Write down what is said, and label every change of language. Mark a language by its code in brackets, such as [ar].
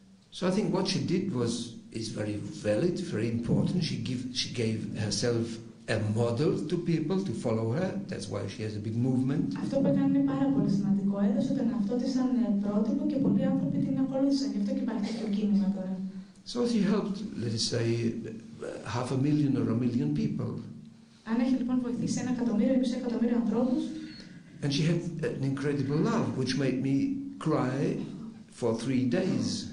[en] So I think what she did is very valid, very important. She gave herself a model to people to follow her. That's why she has a big movement. [el] Αυτό που έκανε είναι πάρα πολύ σημαντικό. Έδωσε τον εαυτό της σαν πρότυπο και πολλοί άνθρωποι την ακολούθησαν. Γι' αυτό και υπάρχει το κίνημα τώρα. [en] So she helped, let's say, 500,000 or 1,000,000 people. [el] Αν έχει λοιπόν βοηθήσει 1 εκατομμύριο ή 2 εκατομμύρια ανθρώπους. [en] And she had an incredible love, which made me cry for 3 days.